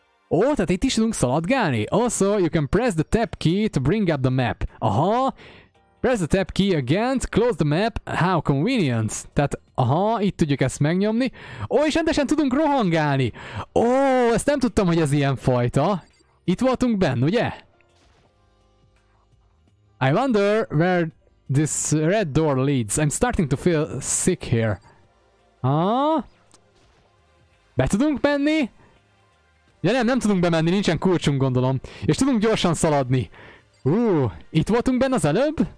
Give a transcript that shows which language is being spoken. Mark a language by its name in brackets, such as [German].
[Hungarian] Ó, tehát itt is tudunk szaladgálni. [English] Also, you can press the tab key to bring up the map. Aha. Press the tab key again, close the map, how convenient. [Hungarian] Tehát, aha, itt tudjuk ezt megnyomni. Ó, és rendesen tudunk rohangálni. Ó, ezt nem tudtam, hogy ez ilyen fajta. Itt voltunk benn, ugye? [English] I wonder where this red door leads. I'm starting to feel sick here. [Hungarian] Aha. Be tudunk menni? Ja nem, nem tudunk bemenni, nincsen kulcsunk, gondolom. És tudunk gyorsan szaladni. Itt voltunk benne az előbb?